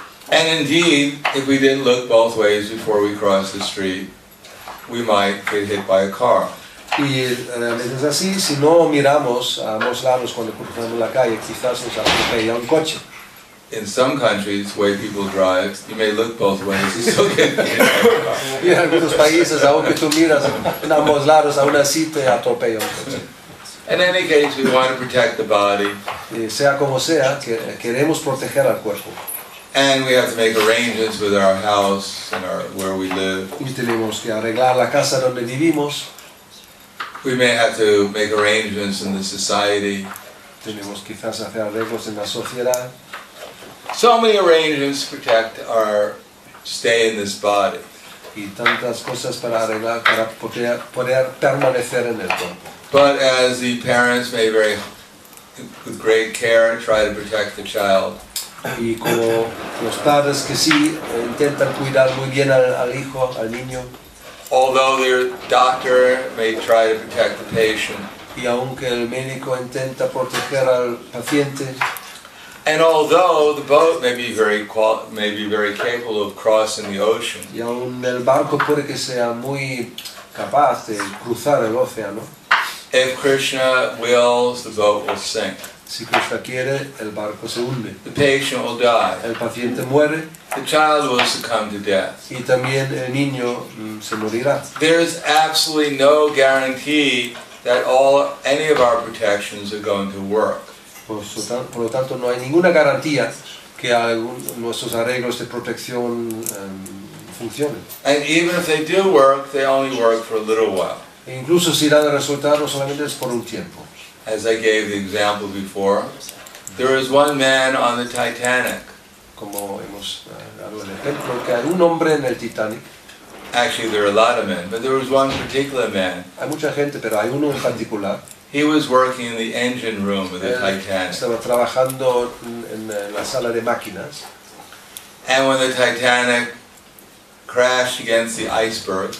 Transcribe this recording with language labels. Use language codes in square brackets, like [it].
[en] And indeed, if we didn't look both ways before we crossed the street, we might get hit by a car. [es] Y es así, si no miramos a ambos lados cuando cruzamos la calle, quizás nos atropella un coche. [en] In some countries, the way people drive, you may look both ways, it's okay. [es] Y en algunos países, aunque tú miras en ambos lados, aún así te atropella un coche. [en] In any case, we want to protect the body. [es] Y sea como sea, queremos proteger al cuerpo. [en] And we have to make arrangements with our house and our where we live. [es] Y tenemos que arreglar la casa donde vivimos. [en] We may have to make arrangements in the society. [es] Tenemos quizás hacer arreglos en la sociedad. [en] So many arrangements protect our stay in this body. [es] Y tantas cosas para arreglar para poder permanecer en el cuerpo. [en] But as the parents may very with great care try to protect the child. [es] Y como los padres que sí intentan cuidar muy bien al hijo, al niño. [en] Although their doctor may try to protect the patient. [es] Y aunque el médico intenta proteger al paciente. [en] And although the boat may be very capable of crossing the ocean. [es] Y aun el barco puede que sea muy capaz de cruzar el océano. [en] If Krishna wills, the boat will sink. [es] Si Krishna quiere, el barco se hunde. [en] The patient will die. [es] El paciente muere. [en] The child will succumb to death. [es] Y también el niño se morirá. [en] There is absolutely no guarantee that any of our protections are going to work. [es] Por lo tanto, no hay ninguna garantía que nuestros arreglos de protección funcionen. [en] And even if they do work, they only work for a little while. [es] E incluso si dan resultados, solamente es por un tiempo. [en] As I gave the example before, there is one man on the Titanic. [es] Como hemos dado el ejemplo, que hay un hombre en el Titanic. [en] Actually, there are a lot of men, but there was one particular man. [es] Hay mucha gente, pero hay uno en particular. [en] He was working in the engine room of the Titanic. [es] Estaba trabajando en la sala de máquinas. [en] And when the Titanic crashed against the iceberg.